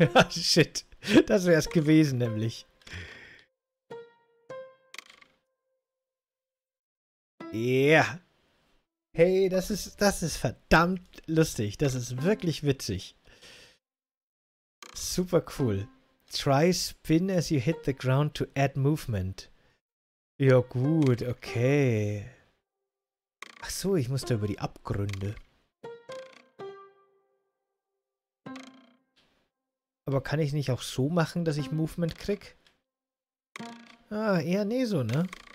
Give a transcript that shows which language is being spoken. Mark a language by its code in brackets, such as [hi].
[en] Shit. [de] Das wär's gewesen, nämlich. Ja. Hey, das ist verdammt lustig. Das ist wirklich witzig. Super cool. [en] Try spin as you hit the ground to add movement. [de] Ja gut, okay. Ach so, ich musste über die Abgründe. Aber kann ich nicht auch so machen, dass ich Movement krieg? Ah, eher nee so, ne?